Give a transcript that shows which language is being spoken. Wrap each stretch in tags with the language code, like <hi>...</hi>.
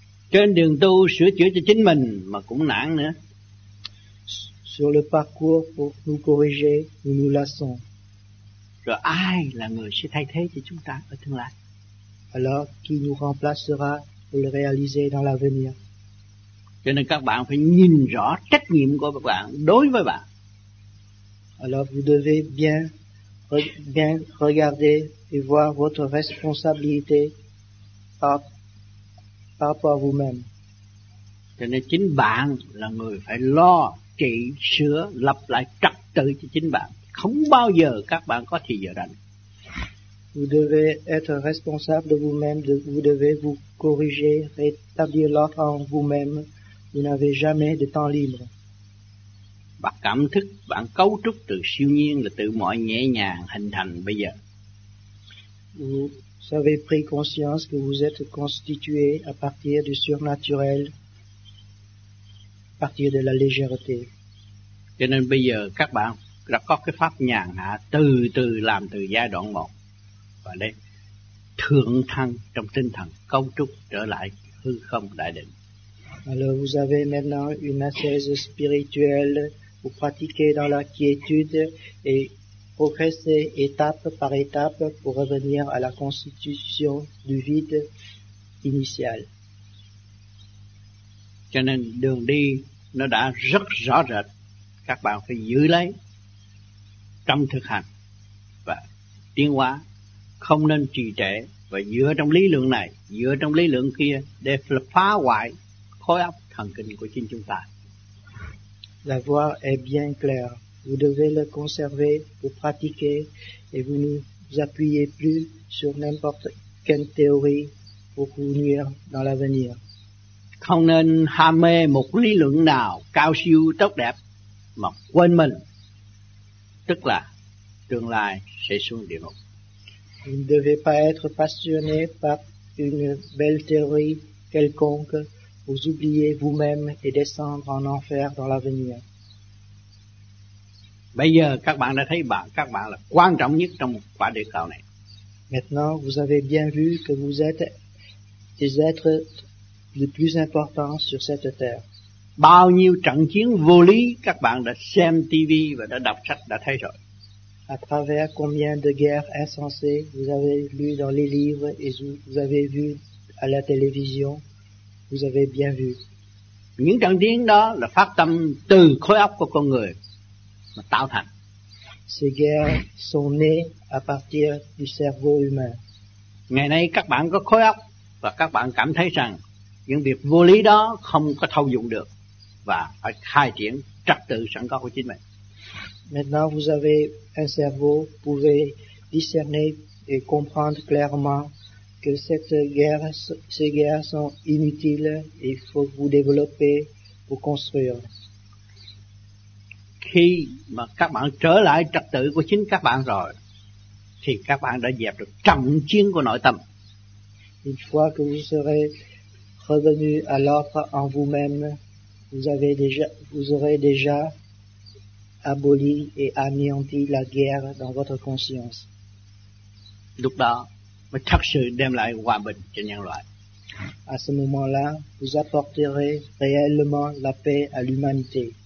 <vi>Trên đường tu sửa chữa cho chính mình mà cũng nản nữa.</vi> <fr>Sur le parcours pour nous corriger, nous nous lassons.</fr> <vi>Rồi ai là người sẽ thay thế cho chúng ta ở tương lai?</vi> <fr>Alors, qui nous remplacera pour le réaliser dans l'avenir?</fr> <vi>Cho nên các bạn phải nhìn rõ trách nhiệm của các bạn đối với bạn.</vi> <fr>Alors, vous devez bien regarder et voir votre responsabilité par rapport à vous-même.</fr> <vi>Cho nên chính bạn là người phải lo, trị, sửa, lập lại trật tự cho chính bạn. Không bao giờ các bạn có thì giờ rảnh.</vi> <fr>Vous devez être responsable de vous-même, vous devez vous corriger, rétablir l'ordre en vous-même. Vous n'avez jamais de temps libre.</fr> <vi>Bạn cảm thức, bạn cấu trúc từ siêu nhiên là từ mọi nhẹ nhàng hình thành bây giờ.</vi> <fr>Vous avez pris conscience que vous êtes constitué à partir du surnaturel, à partir de la légèreté.</fr> <vi>Cho nên bây giờ các bạn đã có cái pháp nhàn hạ, từ từ làm từ giai đoạn một. Và đây thượng thăng trong tinh thần cấu trúc trở lại hư không đại định.</vi> <fr>Alors vous avez maintenant une assise spirituelle, vous pratiquez dans la quiétude et progressez étape par étape pour revenir à la constitution du vide initial.</fr> <vi>Cho nên đường đi nó đã rất rõ rệt, các bạn phải giữ lấy trong thực hành và tiến hóa. Không nên trì trệ và dựa trong lý luận này, dựa trong lý luận kia để phá hoại khối óc thần kinh của chính chúng ta.</vi> <fr>La voie est bien claire. Vous devez le conserver, vous pratiquer et vous ne vous appuyez plus sur n'importe quelle théorie pour vous nuire dans l'avenir.</fr> <vi>Không nên ham mê một lý luận nào cao siêu tốt đẹp mà quên mình, tức là tương lai sẽ xuống địa ngục.</vi> <fr>Vous ne devez pas être passionné par une belle théorie quelconque, vous oubliez vous-même et descendre en enfer dans l'avenir.</fr> <vi>Bây giờ các bạn đã thấy bạn, các bạn là quan trọng nhất trong quả địa cầu này.</vi> <fr>Maintenant, vous avez bien vu que vous êtes des êtres les plus importants sur cette terre.</fr> <vi>Bao nhiêu trận chiến vô lý các bạn đã xem TV và đã đọc sách đã thấy rồi.</vi> <fr>À travers combien de guerres insensées vous avez lu dans les livres et vous avez vu à la télévision, vous avez bien vu.</fr> <vi>Những trận chiến đó là phát tâm từ khối óc của con người, mà tạo thành.</vi> <fr>Ces guerres sont nées à partir du cerveau humain.</fr> <vi>Ngày nay các bạn có khối óc và các bạn cảm thấy rằng những việc vô lý đó không có thâu dụng được và phải khai triển trật tự sẵn có của chính mình.</vi> <fr>Maintenant vous avez un cerveau, pouvez discerner et comprendre clairement que cette guerre, ces guerres sont inutiles et il faut vous développer pour construire.</fr> <vi>Khi mà các bạn trở lại trật tự của chính các bạn rồi, thì các bạn đã dẹp được trận chiến của nội tâm.</vi> <fr>Une fois que vous serez revenu à l'ordre en vous-même, vous aurez déjà aboli et anéanti la guerre dans votre conscience.</fr> <vi>Lúc đó, mới thật sự đem lại hòa bình cho nhân loại.</vi> <fr>À ce moment-là, vous apporterez réellement la paix à l'humanité.</fr>